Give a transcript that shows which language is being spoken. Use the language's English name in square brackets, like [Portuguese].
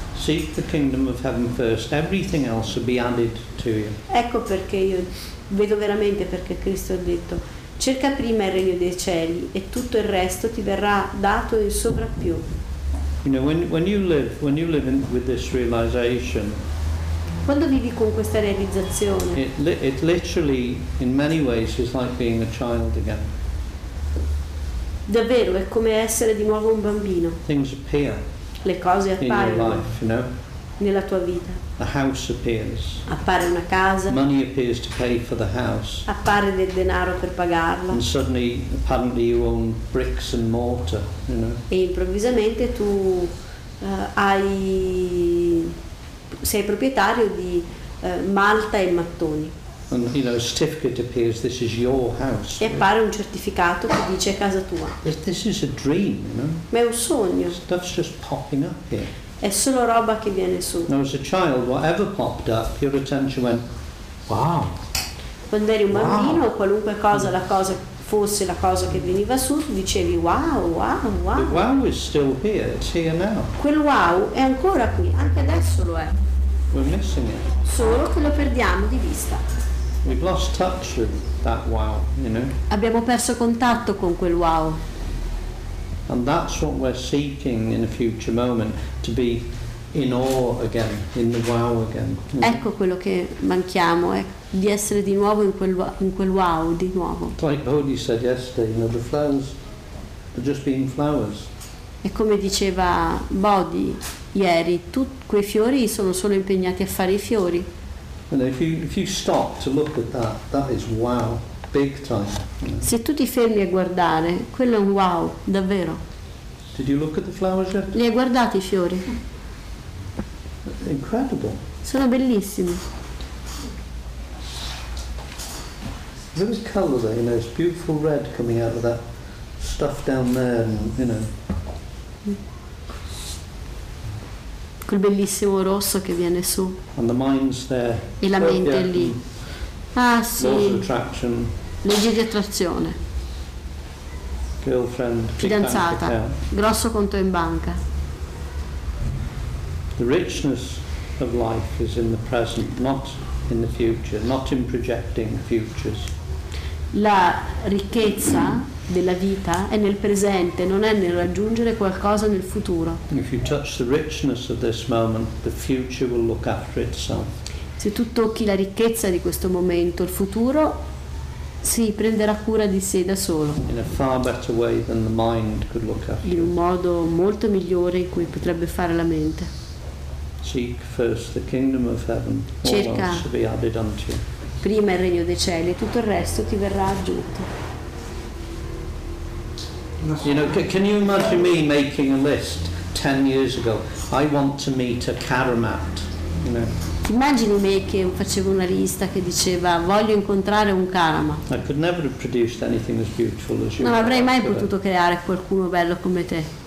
[English] Seek the kingdom of heaven first. Everything else will be added to you. [Italian] Ecco perché io vedo veramente perché Cristo ha detto: cerca prima il regno dei cieli e tutto il resto ti verrà dato in sovrappiù. [English] You know, when you live with this realization. [Italian] Quando vivi con questa realizzazione. [English] It literally, in many ways, is like being a child again. [Italian] Davvero è come essere di nuovo un bambino. [English] Things appear. [Italian] Le cose appaiono. [English] In your life, you know. [Italian] Nella tua vita. [English] A house appears. [Italian] Appare una casa. [English] Money appears to pay for the house. [Italian] Appare del denaro per pagarla. [English] And suddenly, apparently, you own bricks and mortar, you know. [Italian] E improvvisamente tu hai. Sei proprietario di malta e mattoni. [English] And, you know, a certificate appears, this is your house. [Italian] E appare un certificato che dice casa tua. [English] This is a dream, you know? [Italian] Ma è un sogno. [English] Stuff's just popping up here. [Italian] È solo roba che viene su. [English] Now, as a child, whatever popped up, your attention went, wow. [Italian] Quando eri un bambino, qualunque cosa, la cosa fosse la cosa che veniva su, dicevi wow, wow, wow. [English] The wow is still here, it's here now. [Italian] Quel wow è ancora qui, anche adesso lo è. [English] We're missing it. [Italian] Solo che lo perdiamo di vista. [English] We've lost touch with that wow, you know. [Italian] Abbiamo perso contatto con quel wow. [English] And that's what we're seeking in a future moment, to be in awe again, in the wow again. Mm. [Italian] Ecco quello che manchiamo, di essere di nuovo in quel wow, di nuovo. [English] Like Bodhi said yesterday, you know, the flowers are just being flowers. [Italian] E come diceva Bodhi ieri, quei fiori sono solo impegnati a fare i fiori. [English] And if you stop to look at that, that is wow, big time. Mm. [Italian] Se tu ti fermi a guardare, quello è un wow, davvero. [English] Did you look at the flowers yet? [Italian] Li hai guardati i fiori? [English] Incredible. [Italian] Sono bellissimi. [English] There's a colour there, you know, it's beautiful red coming out of that stuff down there, and, you know. [Italian] Quel bellissimo rosso che viene su. [English] And the mind's there. [Italian] E la mente è lì. Ah sì. [English] Laws of attraction. [Italian] Legge di attrazione. [English] Girlfriend. [Italian] Fidanzata. Grosso conto in banca. [English] The richness of life is in the present, not in the future, not in projecting futures. [Italian] La ricchezza della vita è nel presente, non è nel raggiungere qualcosa nel futuro. [English] If you touch the richness of this moment, the future will look after itself. [Italian] Se tu tocchi la ricchezza di questo momento, il futuro si prenderà cura di sé da solo. [English] In a far better way than the mind could look after. [Italian] In un modo molto migliore in cui potrebbe fare la mente. [English] Seek first the kingdom of heaven, [Italian] cerca [English] all else to be added unto you. [Italian] Prima il regno dei cieli, tutto il resto ti verrà aggiunto. [English] You know, can you imagine me making a list 10 years ago? I want to meet a karamat. You know? [Italian] Immagini me che facevo una lista che diceva voglio incontrare un karama. [English] I could never have produced anything as beautiful as you. [Italian] Non avrei mai potuto creare qualcuno bello come te.